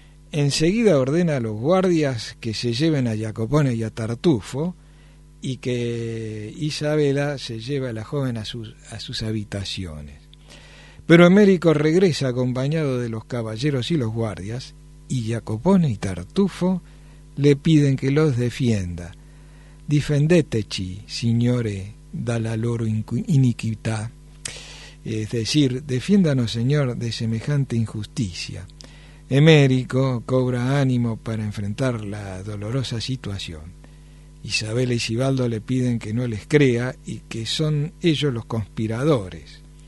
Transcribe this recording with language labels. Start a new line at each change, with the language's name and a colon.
Spanish: Enseguida ordena a los guardias que se lleven a Jacopone y a Tartufo, y que Isabela se lleve a la joven a sus habitaciones. Pero Emérico regresa acompañado de los caballeros y los guardias, y Jacopone y Tartufo le piden que los defienda.
Italian: Difendeteci, signore, dalla loro iniquità.
Spanish: Es decir, defiéndanos, señor, de semejante injusticia. Emérico cobra ánimo para enfrentar la dolorosa situación. Isabela y Sibaldo le piden que no les crea y que son ellos los conspiradores.